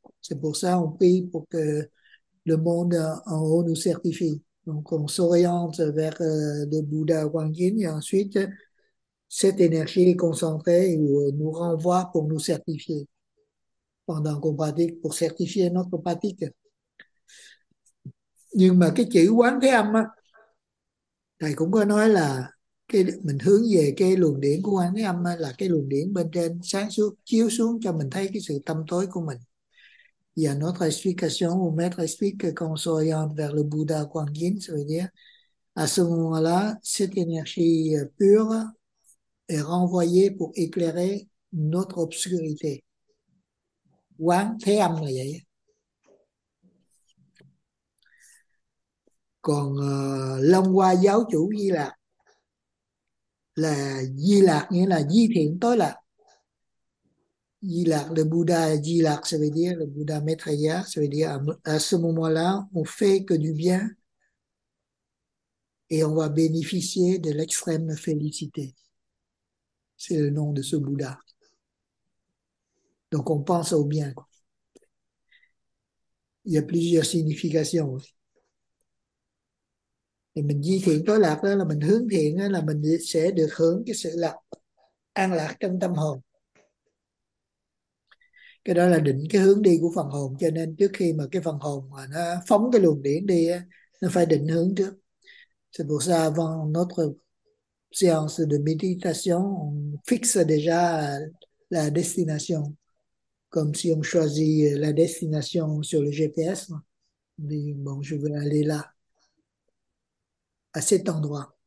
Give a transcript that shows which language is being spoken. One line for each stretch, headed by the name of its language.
French: C'est pour ça qu'on prie pour que le monde en haut nous certifie. Donc, on s'oriente vers le Bouddha Guanyin et ensuite, cette énergie est concentrée ou nous renvoie pour nous certifier pendant qu'on pratique, pour certifier notre pratique.
Vietnamese: Nhưng mà cái chữ Quán Thế Âm, thầy cũng có nói là cái mình hướng về cái luồng điển của Quán Thế Âm là cái luồng điển bên trên sáng suốt chiếu xuống cho mình thấy cái sự tâm tối của mình. Và
French: notre explication, au maître explique que quand on s'oriente vers le Bouddha Quang Yin, ça veut dire, à ce moment-là, cette énergie pure est renvoyée pour éclairer notre obscurité.
Vietnamese: Quán Thế Âm là vậy. Còn Long Hoa giáo chủ Di Lạc là Di Lạc, nghĩa là Di Thiện Tối Lạc. Di Lạc là Buddha, Di Lạc Sở Vệ Đế
French: là Buddha Maitreya, Sở Vệ Đế à ce moment-là, on fait que du bien et on va bénéficier de l'extrême félicité. C'est le nom de ce Bouddha. Donc on pense au bien, quoi. Il y a plusieurs significations aussi.
Vietnamese: Thì mình di thiện tối lạc đó là mình hướng thiện đó, là mình sẽ được hưởng cái sự lạc, an lạc trong tâm hồn. Cái đó là định cái hướng đi của phần hồn, cho nên trước khi mà cái phần hồn mà nó phóng cái luồng điển đi đó, nó phải định hướng trước.
French: C'est pour ça avant notre séance de méditation, on fixe déjà la destination. Comme si on choisit la destination sur le GPS. On dit, bon, je veux aller là, à cet endroit.